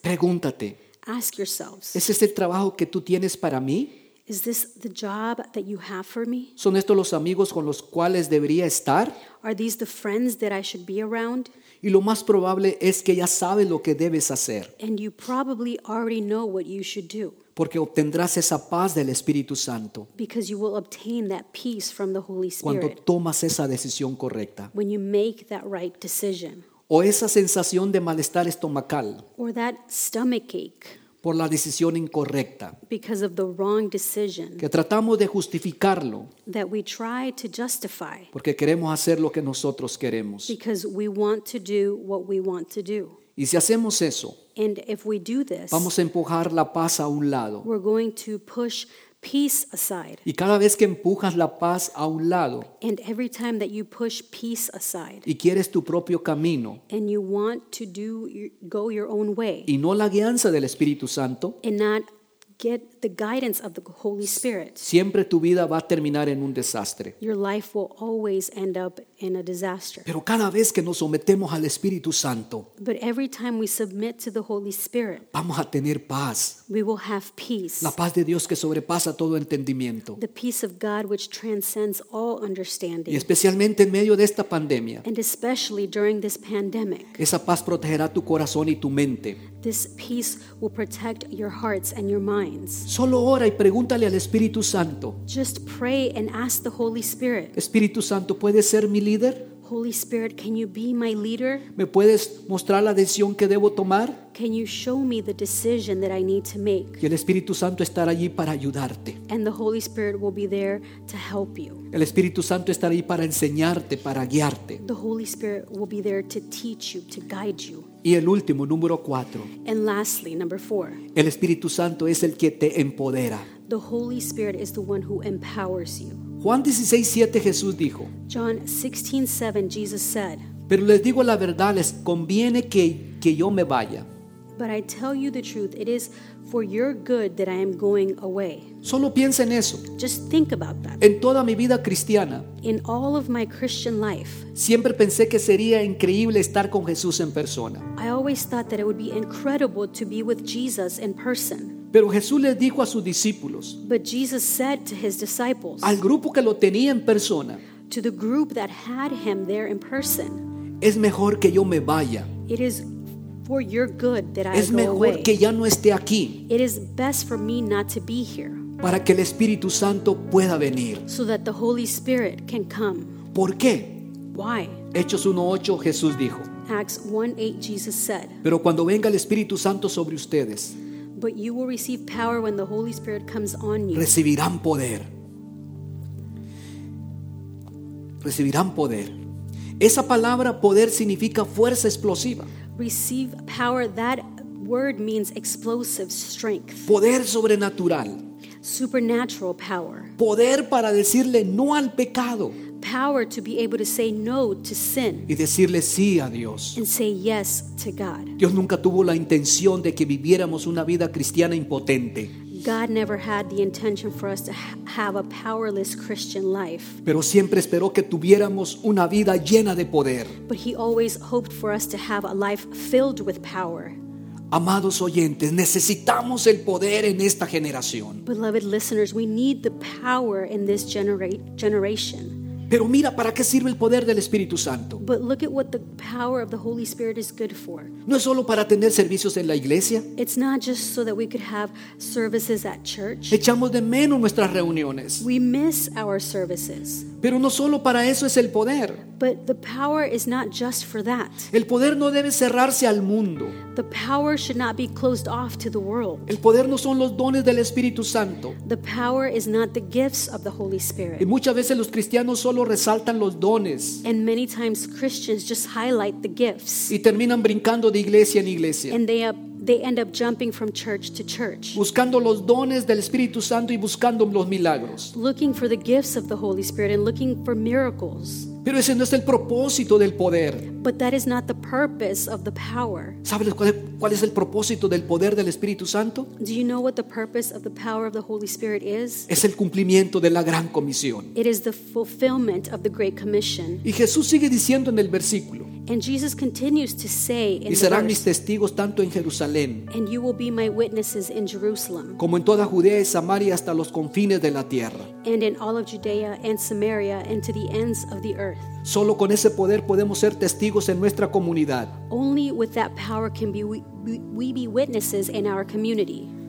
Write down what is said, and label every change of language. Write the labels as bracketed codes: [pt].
[es] Pregúntate. [en] Ask yourselves. [es] ¿Es este el trabajo que tú tienes para mí? [en] Is this the job that you have for me? [es] ¿Son estos los amigos con los cuales debería estar? [en] Are these the friends that I should be around? [es] Y lo más probable es que ya sabes lo que debes hacer. [en] And you probably already know what you should do. [es] Porque obtendrás esa paz del Espíritu Santo. [en] Because you will obtain that peace from the Holy Spirit. [es] Cuando tomas esa decisión correcta. [en] When you make that right decision. [es] O esa sensación de malestar estomacal. [en] Or that stomachache. [es] Por la decisión incorrecta. [en] Because of the wrong decision. [es] Que tratamos de justificarlo. [en] That we try to justify. [es] Porque queremos hacer lo que nosotros queremos. [en] Because we want to do what we want to do. [es] Y si hacemos eso. [en] And if we do this. [es] Vamos a empujar la paz a un lado. [en] We're going to push peace aside. [es] Y cada vez que empujas la paz a un lado. [en] And every time that you push peace aside. [es] Y quieres tu propio camino. [en] And you want to go your own way. [es] Y no la guianza del Espíritu Santo. [en] And not get the guidance of the Holy Spirit. [es] Siempre tu vida va a terminar en un desastre. [en] Your life will always end up in a disaster. [es] Pero cada vez que nos sometemos al Espíritu Santo. [en] But every time we submit to the Holy Spirit. [es] Vamos a tener paz. [en] We will have peace. [es] La paz de Dios que sobrepasa todo entendimiento. [en] The peace of God which transcends all understanding. [es] Y especialmente en medio de esta pandemia. [en] And especially during this pandemic. [es] Esa paz protegerá tu corazón y tu mente. [en] This peace will protect your hearts and your minds. [es] Solo ora y pregúntale al Espíritu Santo. [en] Just pray and ask the Holy Spirit. [es] Espíritu Santo, ¿puedes ser mi líder? [en] Holy Spirit, can you be my leader? [es] ¿Me puedes mostrar la decisión que debo tomar? [en] Can you show me the decision that I need to make? [es] Y el Espíritu Santo estará allí para ayudarte. [en] And the Holy Spirit will be there to help you. [es] El Espíritu Santo estará allí para enseñarte, para guiarte. [en] The Holy Spirit will be there to teach you, to guide you. [es] Y el último, número 4. [en] And lastly, number 4. [es] El Espíritu Santo es el que te empodera. [en] The Holy Spirit is the one who empowers you. [es] Juan 16:7 Jesús dijo. [en] John 16:7 Jesus said. [es] Pero les digo la verdad, les conviene que yo me vaya. [en] But I tell you the truth, it is for your good that I am going away. [es] Solo piensa en eso. [en] Just think about that. [es] En toda mi vida cristiana. [en] In all of my Christian life. [es] Siempre pensé que sería increíble estar con Jesús en persona. [en] I always thought that it would be incredible to be with Jesus in person. [es] Pero Jesús les dijo a sus discípulos. [en] But Jesus said to his disciples. [es] Al grupo que lo tenía en persona. [en] To the group that had him there in person. [es] Es mejor que yo me vaya. [en] It is for your good that I go away. [es] Es mejor que ya no esté aquí. [en] It is best for me not to be here. [es] Para que el Espíritu Santo pueda venir. [en] So that the Holy Spirit can come. [es] ¿Por qué? [en] Why? [es] Hechos 1:8 Jesús dijo. [en] Acts 1:8 Jesus said. [es] Pero cuando venga el Espíritu Santo sobre ustedes. [en] But you will receive power when the Holy Spirit comes on you. [es] Recibirán poder. Recibirán poder. Esa palabra poder significa fuerza explosiva. [en] Receive power, that word means explosive strength. [es] Poder sobrenatural. [en] Supernatural power. [es] Poder para decirle no al pecado. [en] power to be able to say no to sin. [es] Y decirle sí a Dios. [en] And say yes to God. [es] Dios nunca tuvo la intención de que viviéramos una vida cristiana impotente. [en] God never had the intention for us to have a powerless Christian life. [es] Pero siempre esperó que tuviéramos una vida llena de poder. [en] But he always hoped for us to have a life filled with power. [es] Amados oyentes, necesitamos el poder en esta generación. [en] Beloved listeners, we need the power in this generation. [es] Pero mira para qué sirve el poder del Espíritu Santo. [en] But look at what the power of the Holy Spirit is good for. [es] No es solo para tener servicios en la iglesia. [en] It's not just so that we could have services at church. [es] Echamos de menos nuestras reuniones. [en] We miss our services. [es] Pero no solo para eso es el poder. [en] But the power is not just for that. [es] El poder no debe cerrarse al mundo. [en] The power should not be closed off to the world. [es] El poder no son los dones del Espíritu Santo. [en] The power is not the gifts of the Holy Spirit. [es] Y muchas veces los cristianos solo resaltan los dones. [en] And many times Christians just highlight the gifts. [es] Y terminan brincando de iglesia en iglesia. [en] And they end up jumping from church to church. [es] Buscando los dones del Espíritu Santo y buscando los milagros. [en] Looking for the gifts of the Holy Spirit and looking for miracles. [es] Pero ese no es el propósito del poder. [en] But that is not the purpose of the power. [es] ¿Sabes cuál es el propósito del poder del Espíritu Santo? [en] Do you know what the purpose of the power of the Holy Spirit is? [es] Es el cumplimiento de la gran comisión. [en] It is the fulfillment of the great commission. [es] Y Jesús sigue diciendo en el versículo. [en] And Jesus continues to say in the verse. [es] Y serán mis testigos tanto en Jerusalén. [en] And you will be my witnesses in Jerusalem. [es] Como en toda Judea y Samaria hasta los confines de la tierra. [en] And in all of Judea and Samaria and to the ends of the earth. [es] Solo con ese poder podemos ser testigos en nuestra comunidad. [en] Only with that power can we be witnesses in our community.